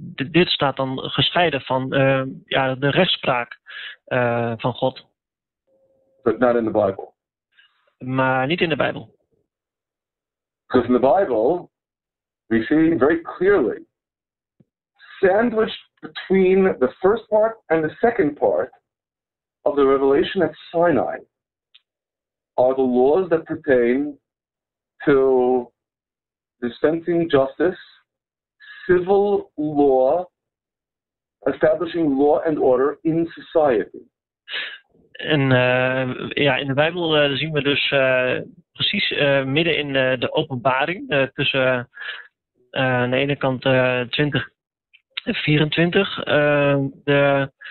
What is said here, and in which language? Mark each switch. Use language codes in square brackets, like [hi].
[nl] Dit staat dan gescheiden van de rechtspraak van God. [en] But not in the Bible. [nl] Maar niet in de Bijbel. [en] Because in the Bible we see very clearly sandwiched between the first part and the second part of the revelation at Sinai are the laws that pertain to dispensing justice, civil law, establishing law and order in society. [nl] En in de Bijbel zien we dus precies midden in de openbaring tussen aan de ene kant 20 24, de